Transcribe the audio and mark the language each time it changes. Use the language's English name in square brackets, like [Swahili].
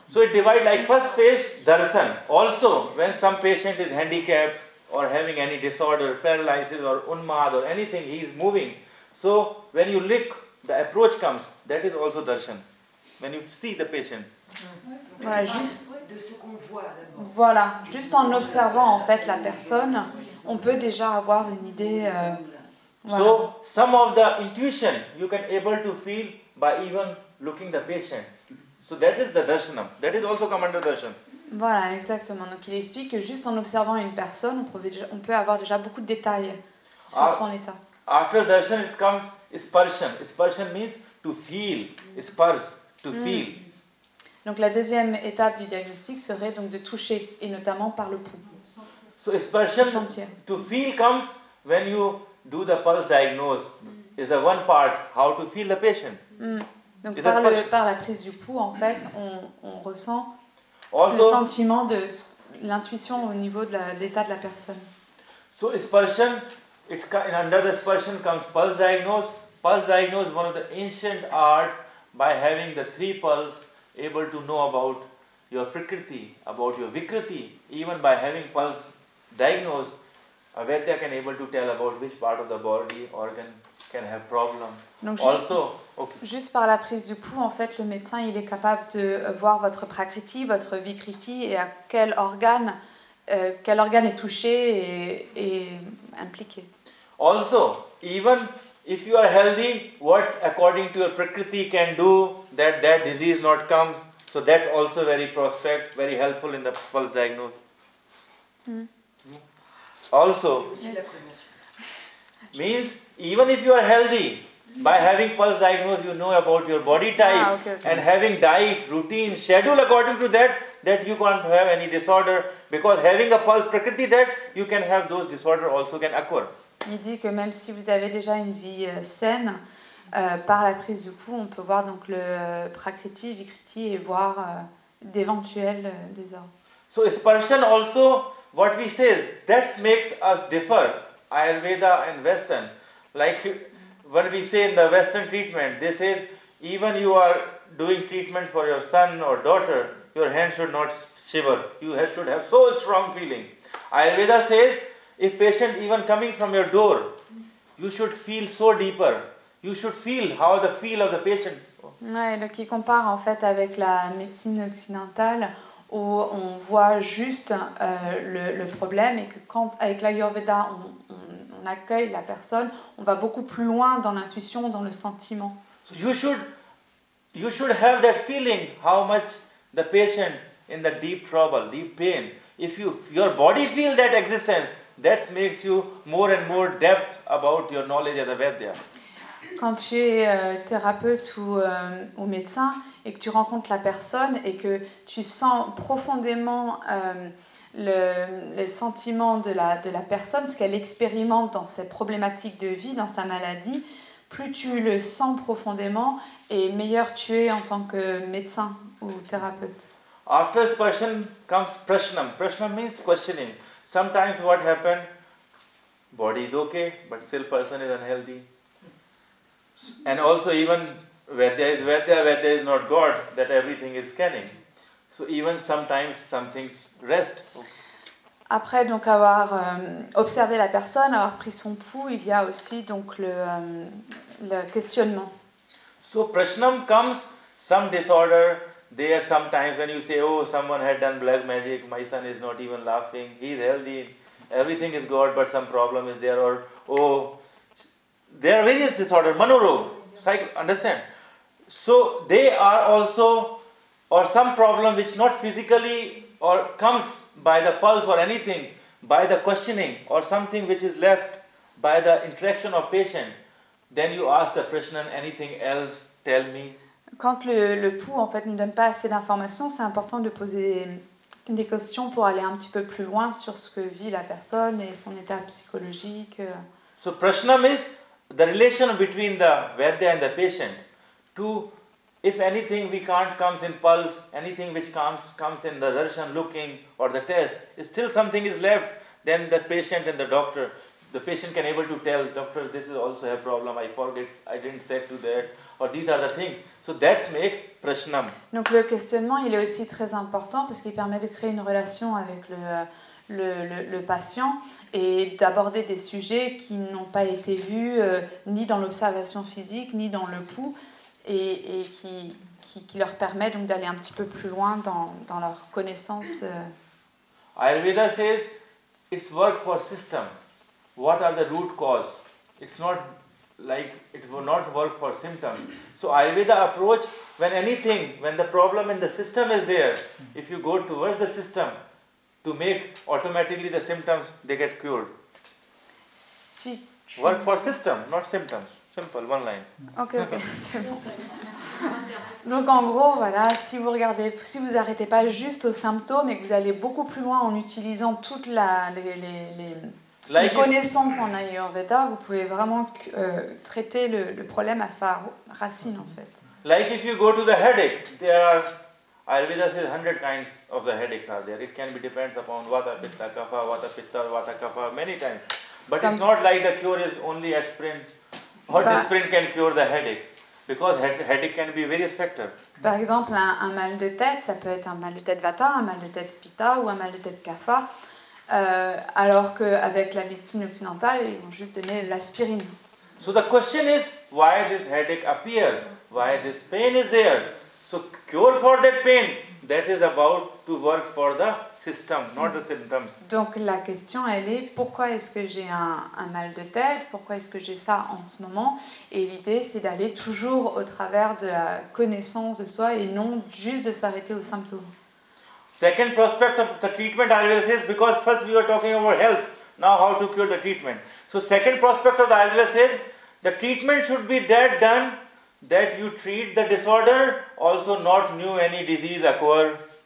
[English] So it divide like first phase, darshan. Also, when some patient is handicapped or having any disorder, paralysis or unmad or anything, he is moving. So when you look, the approach comes. That is also darshan. When you see the patient. [French] Ouais, juste de ce qu'on voit d'abord. Voilà, juste en observant en fait la personne, on peut déjà avoir une idée. [English] So some of the intuition you can able to feel by even looking the patient. So that is the darshana. That is also come under darshan. [French] Voilà, exactement. Donc il explique que juste en observant une personne, on peut avoir déjà beaucoup de détails sur son état. [English] After darshan it comes sparshan. Sparshan means to feel. Sparsh, to feel. [French] Donc la deuxième étape du diagnostic serait donc de toucher et notamment par le pouls. [English] So expression to feel comes when you do the pulse diagnose. Is the one part how to feel the patient. [French] Donc par la prise du pouls en fait on ressent [English] also, [French] le sentiment de l'intuition au niveau de l'état de la personne. [English] So expression it in under the expression comes pulse diagnose. Pulse diagnose one of the ancient art by having the three pulse. Able to know about your prakriti, about your vikriti, even by having pulse diagnosed, a vaidya can able to tell about which part of the body organ can have problem. [French] Donc [English] also, [French] juste par la prise du pouls, en fait, le médecin il est capable de voir votre prakriti, votre vikriti et à quel organe est touché et impliqué. [English] Also, even if you are healthy, what according to your prakriti can do that disease not comes. So that's also very prospect, very helpful in the pulse diagnosis. Also, means even if you are healthy, by having pulse diagnosis, you know about your body type. Okay. And having diet, routine, schedule according to that you can't have any disorder. Because having a pulse prakriti that you can have those disorder also can occur. [French] Il dit que même si vous avez déjà une vie saine, par la prise du pouls, on peut voir donc le prakriti, vikriti et voir d'éventuels désordres. [English] So sparshan also, what we say, that makes us differ, Ayurveda and Western. Like when we say in the Western treatment, they say even you are doing treatment for your son or daughter, your hand should not shiver. You should have so strong feeling. Ayurveda says, if patient even coming from your door, you should feel so deeper. You should feel how the feel of the patient. [French] Ouais, donc il compare en fait avec la médecine occidentale où on voit juste le problème et que quand avec l'Ayurveda on accueille la personne, on va beaucoup plus loin dans l'intuition, dans le sentiment. [English] So you should have that feeling how much the patient in the deep trouble, deep pain. If you your body feel that existence, that makes you more and more depth about your knowledge as a Vaidya. [French] Quand tu es thérapeute ou médecin et que tu rencontres la personne et que tu sens profondément le sentiment de la personne, ce qu'elle expérimente dans ses problématiques de vie, dans sa maladie, plus tu le sens profondément et meilleur tu es en tant que médecin ou thérapeute. [English] After this question comes prashnam. Prashnam means questioning. Sometimes what happened, body is okay, but still person is unhealthy. And also even Vaidya is not God, that everything is scanning. So even sometimes some things rest. [French] Après donc avoir observé la personne, avoir pris son pouls, il y a aussi donc le questionnement. [English] So prashnam comes, some disorder, there sometimes when you say, oh, someone had done black magic, my son is not even laughing, he is healthy, everything is God, but some problem is there, or, oh, there are various disorders, manorog, psych, understand? So they are also, or some problem which not physically, or comes by the pulse or anything, by the questioning, or something which is left by the interaction of patient, then you ask the prashnan, anything else, tell me. [French] Quand le pouls en fait ne donne pas assez d'informations, c'est important de poser des questions pour aller un petit peu plus loin sur ce que vit la personne et son état psychologique. [English] So prashnam is the relation between the vaidya and the patient. To if anything we can't comes in pulse, anything which comes in the darshan, looking or the test, if still something is left, then the patient and the patient can able to tell, doctor, this is also a problem, I forget, I didn't say to that, or these are the things. So that makes prashnam. [French] Donc le questionnement, il est aussi très important parce qu'il permet de créer une relation avec le patient et d'aborder des sujets qui n'ont pas été vus ni dans l'observation physique, ni dans le pouls, et qui leur permet donc d'aller un petit peu plus loin dans leur connaissance. [English] Ayurveda says, it's work for system. What are the root cause? It's not like it will not work for symptom. So Ayurveda approach, when the problem in the system is there, if you go towards the system to make automatically the symptoms, they get cured. [French] Si [English] work for system, not symptoms. Simple, one line. [French] Okay, c'est bon. Donc en gros, voilà, si vous arrêtez pas juste aux symptômes et que vous allez beaucoup plus loin en utilisant toutes les connaissances en Ayurveda, vous pouvez vraiment traiter le problème à sa racine en fait. [English] Like if you go to the headache, Ayurveda says 100 kinds of the headaches are there. It can be depends upon vata pitta kapha, many times. But it's not like the cure is only aspirin. What aspirin can cure the headache? Because headache can be various factors. [French] Par exemple, un mal de tête, ça peut être un mal de tête vata, un mal de tête pitta ou un mal de tête kapha. Alors qu'avec la médecine occidentale, ils vont juste donner l'aspirine. [English] So the question is, why this headache appears? Why this pain is there? So cure for that pain, that is about to work for the system, not the symptoms. [French] Donc la question elle est, pourquoi est-ce que j'ai un mal de tête? Pourquoi est-ce que j'ai ça en ce moment? Et l'idée c'est d'aller toujours au travers de la connaissance de soi et non juste de s'arrêter aux symptômes. [English] Second prospect of the treatment Ayurveda says, because first we were talking about health, now how to cure the treatment. So second prospect of the Ayurveda says, the treatment should be that done that you treat the disorder, also not new any disease occur.